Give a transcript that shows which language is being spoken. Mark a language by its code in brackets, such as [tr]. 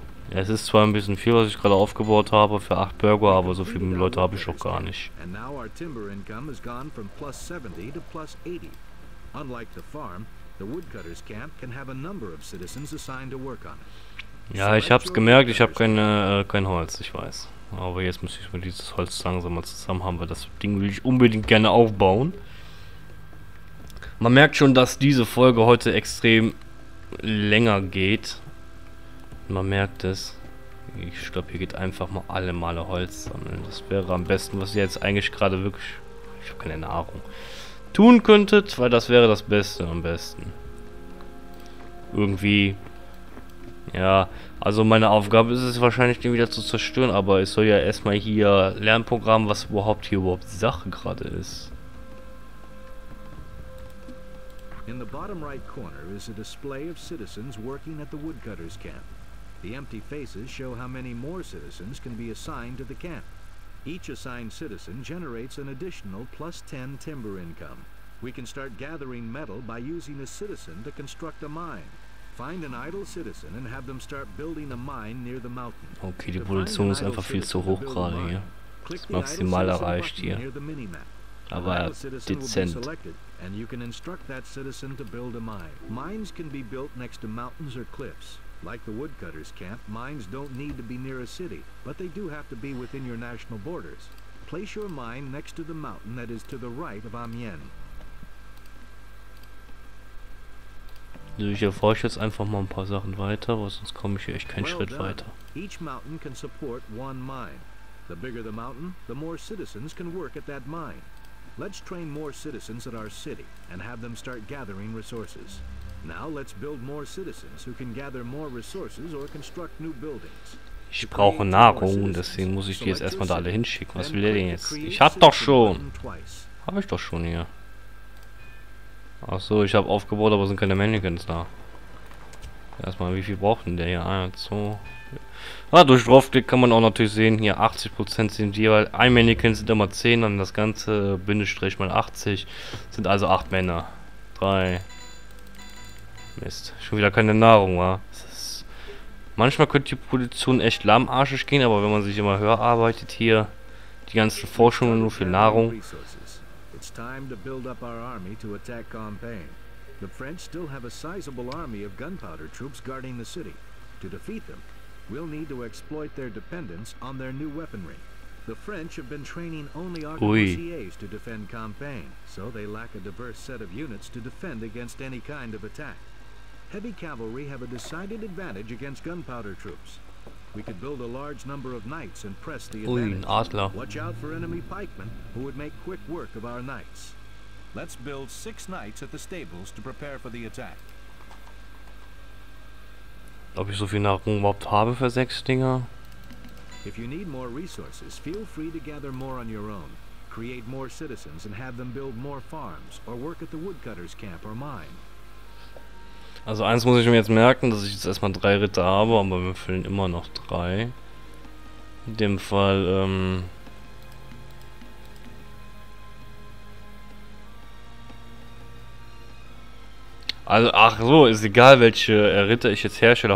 [de] Ja, es ist zwar ein bisschen viel, was ich gerade aufgebaut habe für 8 Bürger, aber so viele Leute habe ich auch gar nicht. Und jetzt ist unser Einkommen von plus 70 zu plus 80. [en] Unlike the farm, the woodcutter's camp can have a number of citizens assigned to work on it. [de] Ja, ich hab's gemerkt, ich habe kein Holz, ich weiß. Aber jetzt muss ich mal dieses Holz langsam mal zusammen haben, weil das Ding will ich unbedingt gerne aufbauen. Man merkt schon, dass diese Folge heute extrem länger geht. Man merkt es. Ich glaube, hier geht einfach mal alle Male Holz sammeln. Das wäre am besten, was ihr jetzt eigentlich gerade wirklich. Ich habe keine Nahrung. Tun könntet, weil das wäre das Beste am besten. Irgendwie. Ja, also meine Aufgabe ist es wahrscheinlich, den wieder zu zerstören, aber es soll ja erstmal hier Lernprogramm, was überhaupt hier überhaupt Sache gerade ist. [en] In the bottom right corner is a display of citizens working at the woodcutter's camp. The empty faces show how many more citizens can be assigned to the camp. Each assigned citizen generates an additional plus 10 timber income. We can start gathering metal by using a citizen to construct a mine. Find an idle citizen and have them start building a mine near the mountain. [de] Okay, die Produktion ist einfach viel zu hoch gerade hier. Ist maximal erreicht hier. Aber dezent. [en] And you can instruct that citizen to build a mine. Mines can be built next to mountains or cliffs. Like the woodcutter's camp, mines don't need to be near a city, but they do have to be within your national borders. Place your mine next to the mountain that is to the right of Amiens. [de] Also ich erforsche jetzt einfach mal ein paar Sachen weiter, weil sonst komme ich hier echt keinen Schritt weiter. [en] Each mountain can support one mine. The bigger the mountain, the more citizens can work at that mine. Let's train more citizens at our city and have them start gathering resources. Now let's build more citizens who can gather more resources or construct new buildings. [de] Ich brauche Nahrung, deswegen muss ich die jetzt erstmal da alle hinschicken. Was will der denn jetzt? Ich hab doch schon. Hab ich doch schon hier. Achso, ich habe aufgebaut, aber sind keine Mannequins da. Erstmal, wie viel braucht denn der hier? 1, 2. Ah, durch Draufklick kann man auch natürlich sehen, hier 80% sind die, weil ein Mannequin sind immer 10, dann das ganze Bindestrich mal 80. Sind also 8 Männer. 3. Mist. Schon wieder keine Nahrung, wa? Manchmal könnte die Produktion echt lahmarschig gehen, aber wenn man sich immer höher arbeitet hier, die ganzen Forschungen nur für Nahrung. [en] It's time to build up our army to attack Compiègne. The French still have a sizable army of gunpowder troops guarding the city. To defeat them, we'll need to exploit their dependence on their new weaponry. The French have been training only arquebusiers to defend Compiègne, so they lack a diverse set of units to defend against any kind of attack. Heavy cavalry have a decided advantage against gunpowder troops. We could build a large number of knights and press the advantage. Watch out for enemy pikemen who would make quick work of our knights. Let's build 6 knights at the stables to prepare for the attack. [de] Ob ich so viel Nahrung überhaupt habe für 6 Dinger? [en] If you need more resources, feel free to gather more on your own. Create more citizens and have them build more farms or work at the woodcutter's camp or mine. [de] Also eins muss ich mir jetzt merken, dass ich jetzt erstmal 3 Ritter habe, aber mir fehlen immer noch 3. In dem Fall, also, ach so, ist egal, welche Ritter ich jetzt herstelle.